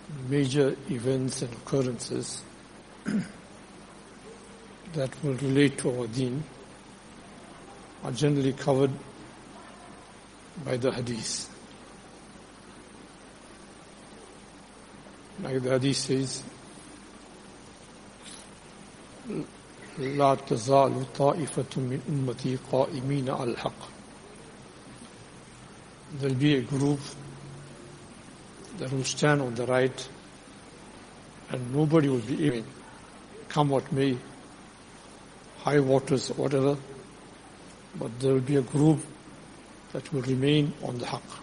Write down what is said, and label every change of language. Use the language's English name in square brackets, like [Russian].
[English] Major events and occurrences that will relate to our deen are generally covered by the hadith. Like the hadith says, [Arabic] لا تزال طائفة من أمتي قائمين على الحق. [English] There'll be a group that will stand on the right, and nobody will be able, come what may, high waters or whatever, but there will be a group that will remain on the haqq.